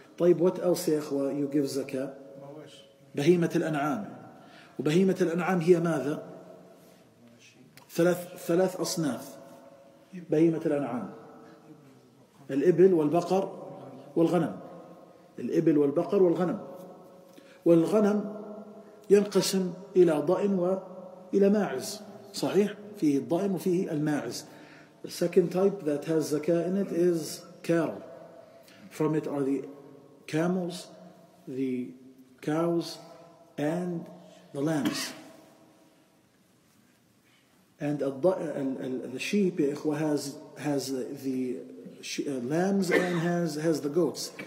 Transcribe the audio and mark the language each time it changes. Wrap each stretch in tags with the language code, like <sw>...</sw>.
<ar>طيب,</ar> <en>what else,</en> <ar>يا إخوة,</ar> <en>you give zakah?</en> <ar>بهيمة الأنعام. وبهيمة الأنعام هي ماذا؟ ثلاث أصناف. بهيمة الأنعام. الإبل والبقر والغنم. الإبل والبقر والغنم. والغنم ينقسم إلى ضأن وإلى ماعز. صحيح؟ فيه الضأن وفيه الماعز.</ar> <en>The second type that has zakah in it is cattle. From it are the camels, the cows, and the lambs. And the sheep,</en> <ar>إخوة,</ar> <en>has the lambs and has the goats.</en>